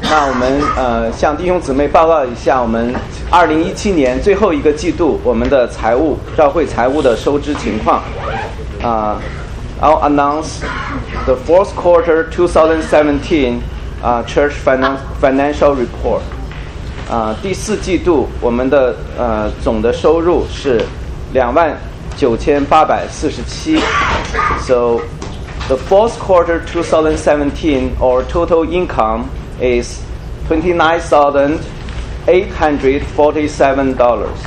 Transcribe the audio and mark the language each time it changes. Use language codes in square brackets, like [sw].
[zh] 那我们向弟兄姊妹报告一下我们2017年最后一个季度我们的财务，教会财务的收支情况。 [en] I'll announce the fourth quarter 2017 church financial report. [zh] 第四季度我们的总的收入是29,847. [en] So the fourth quarter 2017 our total income is $29,847.